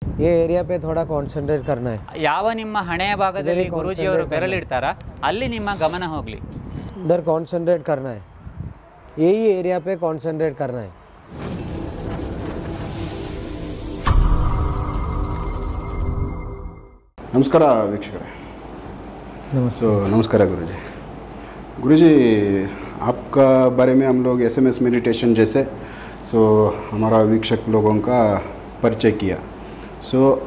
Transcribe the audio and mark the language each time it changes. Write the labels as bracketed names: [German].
[Hindi] ये एरिया पे थोड़ा कॉन्सेंट्रेट करना है। [Kannada] ಯಾವ ನಿಮ್ಮ ಹಣೆಯ ಭಾಗದಲ್ಲಿ ಗುರುಜಿ ಅವರು ಬೆರಳಿಡ್ತಾರಾ ಅಲ್ಲಿ ನಿಮ್ಮ ಗಮನ ಹೋಗಲಿ। [Hindi] इधर कॉन्सेंट्रेट करना है, यही एरिया पे कॉन्सेंट्रेट करना है। नमस्कार वीक्षक। नमस्ते। नमस्कार गुरुजी। गुरुजी आपका बारे में हम लोग SMS मेडिटेशन जैसे हमारा वीक्षक लोगों का परिचय किया।